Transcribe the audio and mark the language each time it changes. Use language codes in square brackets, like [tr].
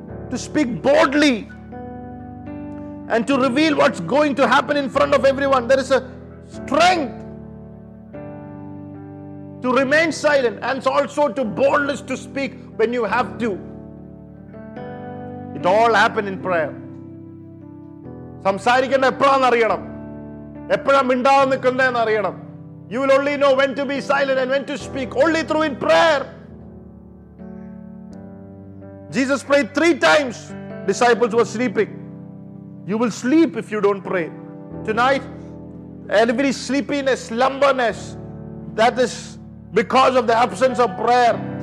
[en] To speak boldly and to reveal what's going to happen in front of everyone. There is a strength to remain silent and also to boldness to speak when you have to. It all happened in prayer. [ml] സംസാരിക്കേണ്ട എപ്പോഴാന്ന് അറിയണം, എപ്പോഴാ മിണ്ടാതെ നിൽക്കണ്ടെന്ന് അറിയണം. [en] You will only know when to be silent and when to speak only through in prayer. Jesus prayed 3 times. Disciples were sleeping. You will sleep if you don't pray. Tonight, every sleepiness, slumberness, that is because of the absence of prayer.